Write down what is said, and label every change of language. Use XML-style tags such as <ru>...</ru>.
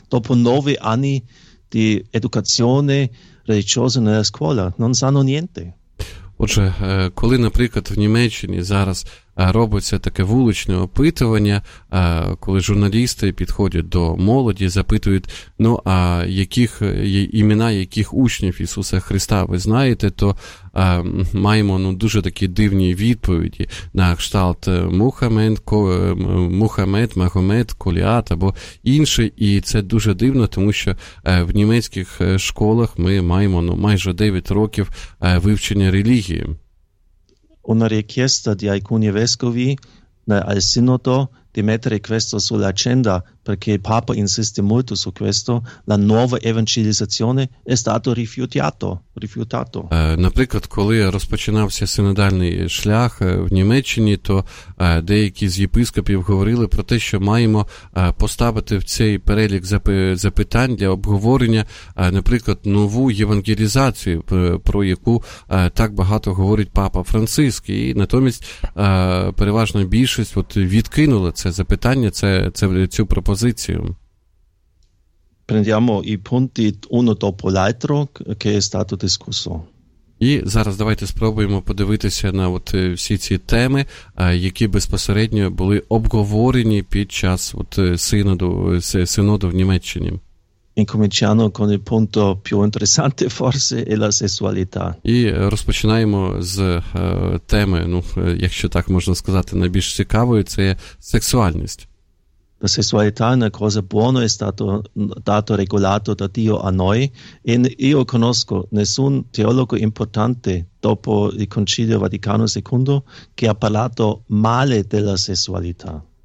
<it>Dopo 9 anni di educazione religiosa nella scuola non sanno niente.</it> <uk>Отже, коли, наприклад, в Німеччині зараз робиться таке вуличне опитування, коли журналісти підходять до молоді, запитують, ну, а яких імена, яких учнів Ісуса Христа ви знаєте, то маємо ну, дуже такі дивні відповіді на кшталт Мухамед, Магомед, Коліат або інше. І це дуже дивно, тому що в німецьких школах ми маємо ну, майже 9 років вивчення релігії.</uk> <it>Una richiesta di alcuni vescovi al sinodo di mettere questo sull'agenda perché il Papa insiste molto su questo, la nuova evangelizzazione è stato rifiutato.</it> <uk>Наприклад, коли розпочинався синодальний шлях в Німеччині, то деякі з єпископів говорили про те, що маємо поставити в цей перелік запитань для обговорення, наприклад, нову євангелізацію, про яку так багато говорить Папа Франциск. І натомість переважна більшість от, відкинула це запитання, цю пропозицію.</uk> <it>Prendiamo i punti uno dopo l'altro che è stato discusso.</it> <uk>І зараз давайте спробуємо подивитися на от всі ці теми, які безпосередньо були обговорені під час от синоду в Німеччині.</uk> <it>Incominciamo con il punto più interessante forse è la sessualità.</it> <uk>І розпочинаємо з теми, ну, якщо так можна сказати, найбільш цікавою, це сексуальність.</uk> <it>la sessualità è una cosa buona, è stato dato, regolato da Dio a noi. E io conosco nessun teologo importante dopo il Concilio Vaticano II che ha parlato male della sessualità.</it>